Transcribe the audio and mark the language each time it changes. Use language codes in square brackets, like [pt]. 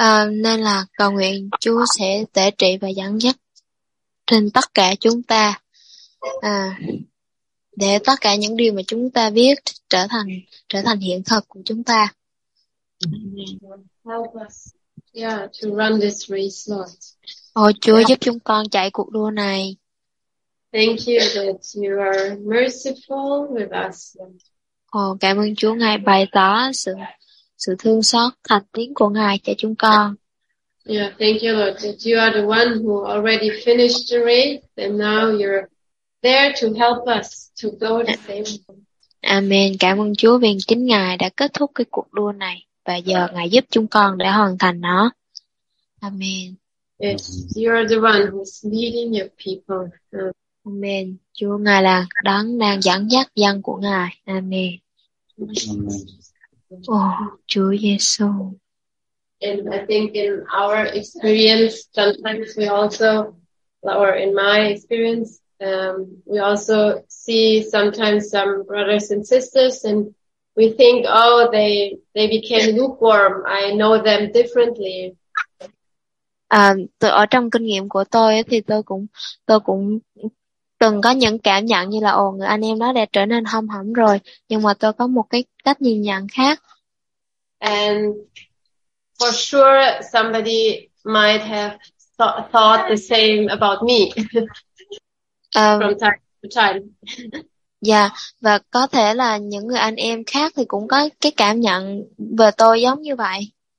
[vi] Nên là cầu nguyện Chúa sẽ tể trị và dẫn dắt trên tất cả chúng ta để tất cả những điều mà chúng ta biết trở thành hiện thực của chúng ta. [en] Help us. Yeah, to run this race, Lord. [vi] Ôi Chúa, giúp chúng con chạy cuộc đua này. [en] Thank you that you are merciful with us. [vi] Cảm ơn Chúa Ngài bày tỏ sự thương xót thành tín của Ngài cho chúng con. [en] Yeah, thank you, Lord, that you are the one who already finished the race and now you're there to help us to go the same way. Amen. [vi] Cảm ơn Chúa vì chính Ngài đã kết thúc cái cuộc đua này. Và giờ Ngài giúp chúng con để hoàn thành nó. Amen. [en] You're the one who's leading your people. Amen. [vi] Chúa Ngài là đấng đang dẫn dắt dân của Ngài. [en] Amen. [vi] Oh, Chúa Giêsu. [en] And I think in our experience, sometimes we also, or in my experience, we also see sometimes some brothers and sisters, and we think, oh, they became lukewarm. I know them differently. [vi] Tôi ở trong kinh nghiệm của tôi ấy, thì tôi cũng từng có những cảm nhận như là ồ, người anh em đó đã trở nên hâm hẩm rồi, nhưng mà tôi có một cái cách nhìn nhận khác. [en] And for sure somebody might have thought the same about me from time to time. [vi] Yeah, và có thể là những người anh em khác thì cũng có cái cảm nhận về tôi giống như vậy.